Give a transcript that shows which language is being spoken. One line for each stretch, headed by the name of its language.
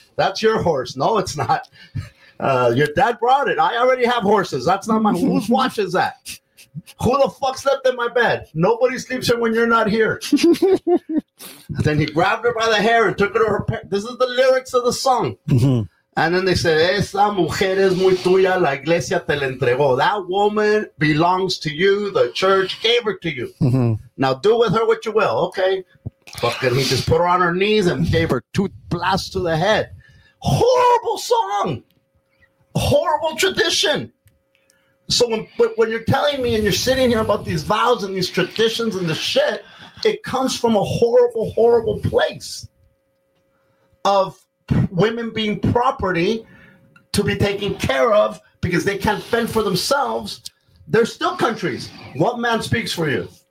English: That's your horse. No, it's not. Your dad brought it. I already have horses. That's not my whose watch is that? Who the fuck slept in my bed? Nobody sleeps here when you're not here. Then he grabbed her by the hair and took her to her parents. This is the lyrics of the song. And then they said,
Spanish: esa mujer es muy tuya, la iglesia te la entregó.
English: That woman belongs to you. The church gave her to you. Now do with her what you will, okay? Fucking he just put her on her knees and gave her two blasts to the head. Horrible song. Horrible tradition. So when you're telling me and you're sitting here about these vows and these traditions and the shit, it comes from a horrible, horrible place of women being property to be taken care of because they can't fend for themselves. There's still countries. What man speaks for you?